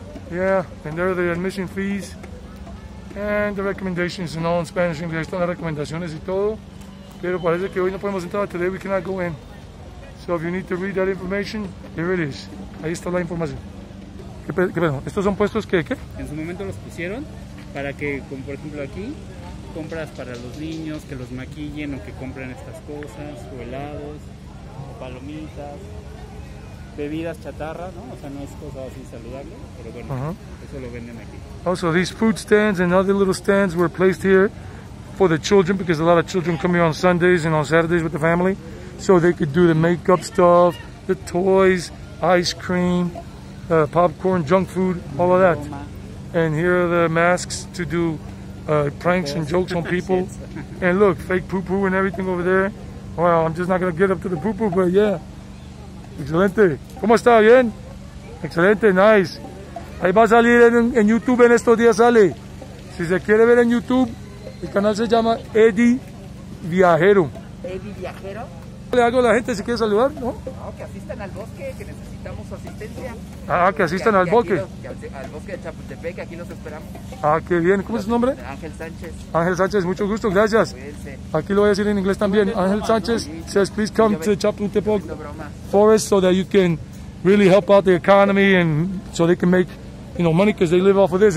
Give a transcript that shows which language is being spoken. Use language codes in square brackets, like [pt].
[en] Yeah, and there are the admission fees and the recommendations and all in Spanish. [es] Ahí están las recomendaciones y todo, pero parece que hoy no podemos entrar. [en] Today we cannot go in. So if you need to read that information, here it is. [es] Ahí está la información. ¿Qué pedo? ¿Estos son puestos que qué? En su momento los pusieron para que, como por ejemplo aquí, compras para los niños, que los maquillen o que compren estas cosas, o helados, o palomitas, bebidas chatarra, ¿no? O sea, no es cosa así saludable, pero bueno, eso lo venden aquí. [en] Also, these food stands and other little stands were placed here for the children, because a lot of children come here on Sundays and on Saturdays with the family, so they could do the makeup stuff, the toys, ice cream, popcorn, junk food, all of that. And here are the masks to do pranks and jokes on people. And look, fake poo-poo and everything over there. Well, I'm just not going to get up to the poo-poo, but yeah. [es] Excelente. ¿Cómo está? ¿Bien? Excelente, nice. Ahí va a salir en YouTube en estos días, sale. Si se quiere ver en YouTube, el canal se llama Eddie Viajero. ¿Eddie Viajero? Le hago a la gente si quiere saludar, ¿no? No, que asistan al bosque, que necesitamos su asistencia. Ah, que asistan que al bosque. Al bosque de Chapultepec, aquí los esperamos. Ah, qué bien. ¿Cómo es su nombre? Ángel Sánchez. Ángel Sánchez, mucho gusto, gracias. Aquí lo voy a decir en inglés también. [en] Ángel Sánchez, no, says, please come to Chapultepec Forest so that you can really help out the economy and so they can make, you know, money because they live off of this.